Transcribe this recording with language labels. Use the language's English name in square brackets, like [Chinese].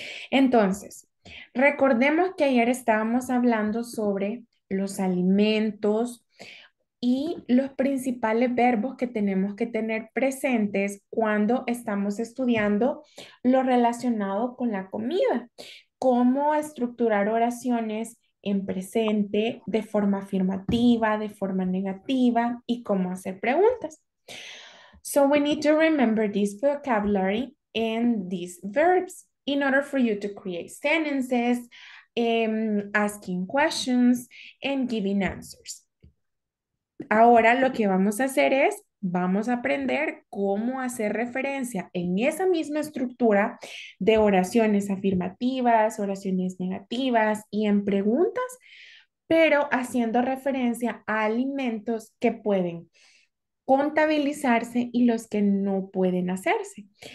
[Spanish] Entonces, recordemos que ayer estábamos hablando sobre los alimentos y los principales verbos que tenemos que tener presentes cuando estamos estudiando lo relacionado con la comida, cómo estructurar oraciones en presente, de forma afirmativa, de forma negativa y cómo hacer preguntas. [English] So we need to remember this vocabulary and these verbs in order for you to create sentences, asking questions and giving answers. [Spanish] Ahora lo que vamos a hacer es, vamos a aprender cómo hacer referencia en esa misma estructura de oraciones afirmativas, oraciones negativas y en preguntas, pero haciendo referencia a alimentos que pueden contabilizarse y los que no pueden hacerse.